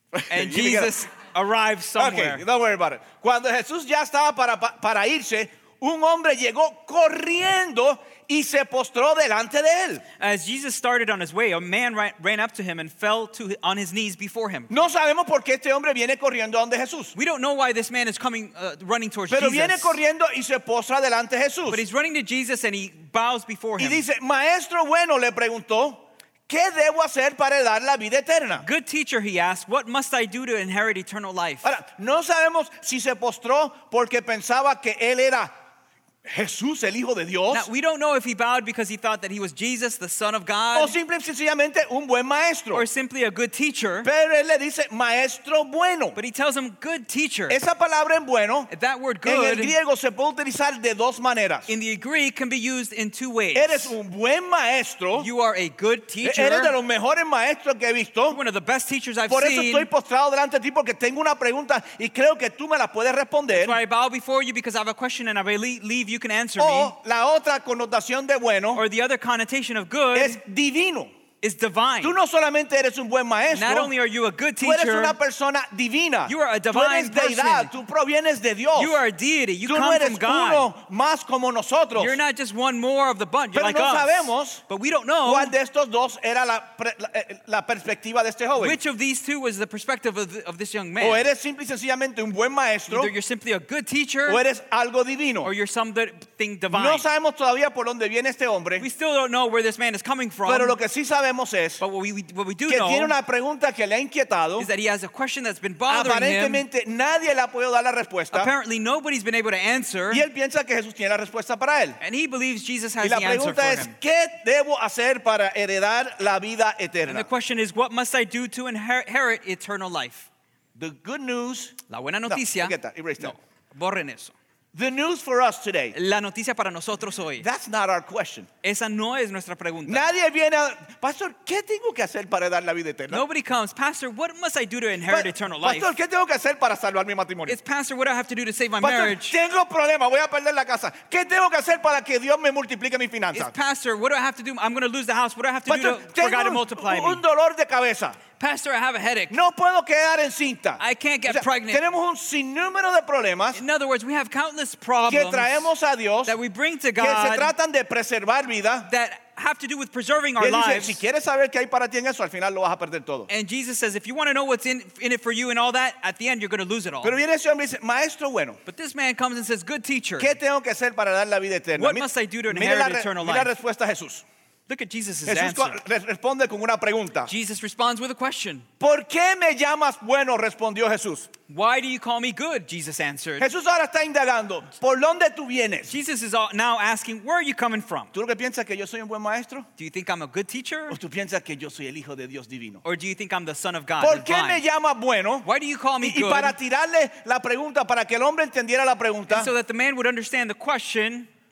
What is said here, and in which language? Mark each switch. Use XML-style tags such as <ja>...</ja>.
<en>And Jesus arrives somewhere. Okay, don't worry about it.</en> <es>Cuando Jesús ya estaba para irse, un hombre llegó corriendo y se postró delante de él.</es> <en>As Jesus started on his way, a man ran up to him and fell to on his knees before him.</en> <es>No sabemos por qué este hombre viene corriendo donde Jesús.</es> <en>We don't know why this man is coming running towards</en> <es>Pero</es> <en>Jesus.</en> <es>Pero viene corriendo y se postra delante de Jesús.</es> <en>But he's running to Jesus and he bows before him.</en> <es>Y dice, "Maestro bueno," le preguntó, "¿qué debo hacer para dar la vida eterna?"</es> <en>Good teacher, he asked, "What must I do to inherit eternal life?"</en> <es>Ahora, no sabemos si se postró porque pensaba que él era Jesús, el Hijo de Dios.</es> <en>Now, we don't know if he bowed because he thought that he was Jesus, the Son of God.</en> <es>O simple, sencillamente, un buen maestro.</es> <en>Or simply a good teacher.</en> <es>Pero él le dice, maestro bueno.</es> <en>But he tells him, good teacher.</en> <es>Esa palabra en bueno,</es> <en>that word good,</en> <es>en el griego se puede utilizar de dos maneras.</es> <en>In the Greek, can be used in two ways.</en> <es>Eres un buen maestro.</es> <en>You are a good teacher.</en> <es>Eres de los mejores maestros que he visto.</es> <en>One of the best teachers I've</en> <es>Por</es> <en>seen.</en> <es>Por eso estoy postrado delante de ti, porque tengo una pregunta y creo que tú me la puedes responder.</es> <en>That's why I bow before you, because I have a question and I believe you can answer</en> <es>o,</es> <en>me.</en> <es>La otra connotación de bueno,</es> <en>or the other connotation of good</en> <es>es divino.</es> <en>Is divine.</en> <es>Tú no solamente eres un buen maestro,</es> <en>not only are you a good teacher,</en> <es>tú eres una persona divina.</es> <en>You are a divine</en> <es>tú eres</es> <en>person.</en> <es>Tú provienes de Dios.</es> <en>You are a deity. You</en> <es>tú</es> <en>come</en> <es>no eres</es> <en>from God.</en> <es>Uno más como nosotros.</es> <en>You're not just one more of the bunch,</en> <es>Pero</es> <en>like</en> <es>no</es> <en>us.</en> <es>Sabemos</es> <en>But we don't know</en> <es>cuál de estos dos era la perspectiva de este joven.</es> <en>Which of these two was the perspective of this young man.</en> <es>O eres simple y sencillamente un buen maestro,</es> <en>either you're simply a good teacher,</en> <es>o eres algo divino,</es> <en>or you're something divine.</en> <es>No sabemos todavía por dónde viene este hombre,</es> <en>we still don't know where this man is coming from.</en> <es>Pero lo que sí sabemos es</es> <en>But what we do</en> <es>que</es> <en>know</en> <es>tiene una pregunta que le ha inquietado.</es> <en>Is that he has a question that's been bothering</en> <es>Aparentemente,</es> <en>him.</en> <es>Nadie le ha podido dar la respuesta.</es> <en>Apparently, nobody's been able to answer.</en> <es>Y él piensa que Jesús tiene la respuesta para él.</es> <en>And he believes Jesus has</en> <es>y la pregunta</es> <en>the answer</en> <es>es,</es> <en>for him.</en> <es>¿Qué debo hacer para heredar la vida eterna?</es> <en>And the question is, what must I do to inherit eternal life? The good news.</en> <es>La buena noticia.</es> <en>No, forget that. Erase that.</en> <es>No, borren eso.</es> <en>The news for us today.</en> <es>La noticia para nosotros hoy.</es> <en>That's not our question.</en> <es>Esa no es nuestra pregunta. Nadie viene a, Pastor, ¿qué tengo que hacer para dar la vida eterna?</es> <en>Nobody comes, Pastor, what must I do to inherit eternal life?</en> <es>Pastor, ¿qué tengo que hacer para salvar mi matrimonio?</es> <en>It's Pastor, what do I have to do to save my</en> <es>Pastor,</es> <en>marriage?</en> <es>Tengo problema, voy a perder la casa. ¿Qué tengo que hacer para que Dios me multiplique mi finanza?</es> <en>It's Pastor, what do I have to do? I'm going to lose the house. What do I have to Pastor, do to, for God to multiply</en> <es>un dolor de cabeza.</es> <en>Me? Pastor, I have a headache.</en> <es>No puedo quedar encinta.</es> <en>I can't get</en> <es>o sea,</es> <en>pregnant.</en> <es>Tenemos un sinnúmero de problemas.</es> <en>In other words, we have countless problems</en> <es>que traemos a Dios,</es> <en>that we bring to God</en> <es>que se tratan de preservar vida,</es> <en>that have to do with preserving our lives.</en> <es>Si quieres saber qué hay para ti en eso, al final lo vas a perder todo.</es> <en>And Jesus says, if you want to know what's in it for you and all that, at the end you're going to lose it all.</en> <es>Pero viene ese hombre y dice, Maestro bueno.</es> <en>But this man comes and says, good teacher,</en> <es>¿qué tengo que hacer para dar la vida eterna?</es> <en>What must I do to inherit eternal life?</en> <es>Mira la respuesta a Jesús.</es> <en>Look at Jesus' answer.</en> <es>Responde con una pregunta.</es> <en>Jesus responds with a question.</en> <es>¿Por qué me llamas bueno? Respondió Jesús.</es> <en>Why do you call me good? Jesus answered.</en> <es>Jesús ahora está indagando. ¿Por dónde tú vienes?</es> <en>Jesus is now asking, where are you coming from?</en> <es>¿Tú lo que piensas que yo soy un buen maestro?</es> <en>Do you think I'm a good teacher?</en> <es>¿O tú piensas que yo soy el hijo de Dios divino?</es> <en>Or do you think I'm the son of God?</en> <es>¿Por qué me llamas bueno?</es> <en>Why do you call me good?</en> <es>Y para tirarle la pregunta, para que el hombre entendiera la pregunta.</es> <en>And so that the man would understand the question.</en>